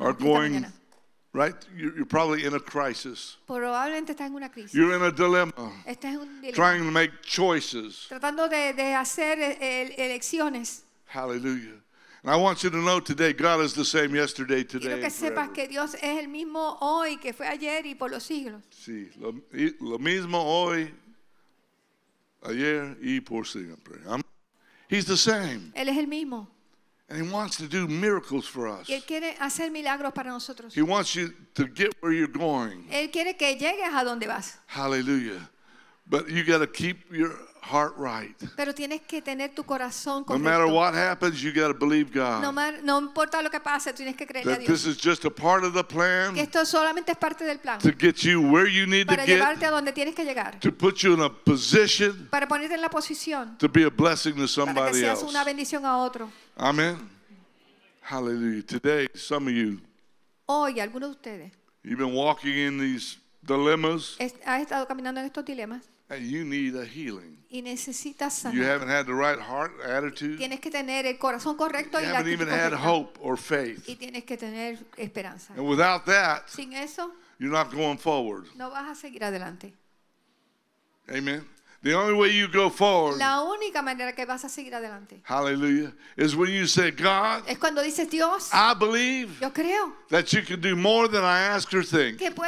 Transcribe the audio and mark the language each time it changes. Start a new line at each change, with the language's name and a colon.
English: Are going Right? You're probably in a crisis.
Spanish: Probablemente estás en una crisis.
English: You're in a dilemma.
Spanish: Estás en un dilema.
English: Trying to make choices.
Spanish: Tratando de hacer elecciones.
English: Hallelujah. And I want you to know today, God is the same yesterday, today, and forever.
Spanish: Quiero que sepas que Dios es el mismo hoy que fue ayer y por los siglos. Sí, lo mismo hoy, ayer y por siempre.
English: He's the same.
Spanish: Él es el mismo.
English: And he wants to do miracles for us.
Spanish: Él quiere hacer milagros para nosotros.
English: He wants you to get where you're going.
Spanish: Él quiere que llegues a donde vas.
English: Hallelujah. But you got to keep your heart right.
Spanish: Pero tienes que tener tu corazón correcto.
English: No matter what happens, you got to believe God.
Spanish: No importa lo que pase, tienes que creerle a Dios.
English: This is just a part of the plan.
Spanish: Que esto solamente es parte del plan.
English: To get you where you need
Spanish: para
English: to get.
Spanish: Para llevarte a donde tienes que llegar.
English: To put you in a position.
Spanish: Para ponerte en la posición.
English: To be a blessing to somebody
Spanish: else. Para que una bendición a otro.
English: Amen. Hallelujah. Today, some of you.
Spanish: Hoy, algunos de ustedes.
English: You've been walking in these dilemmas.
Spanish: Has estado caminando en estos dilemas.
English: And you need a healing.
Spanish: Y necesitas sanar.
English: You haven't had the right heart attitude.
Spanish: Tienes que tener el corazón correcto y la actitud correcta.
English: You haven't even had hope or faith.
Spanish: Y tienes que tener esperanza.
English: And without that,
Spanish: sin eso,
English: you're not going forward.
Spanish: No vas a seguir adelante.
English: Amen. The only way you go forward.
Spanish: La única manera que vas a seguir adelante.
English: Hallelujah. Is when you say, God.
Spanish: Es cuando dices, Dios.
English: I believe.
Spanish: Yo creo.
English: That you can do more than I ask or think.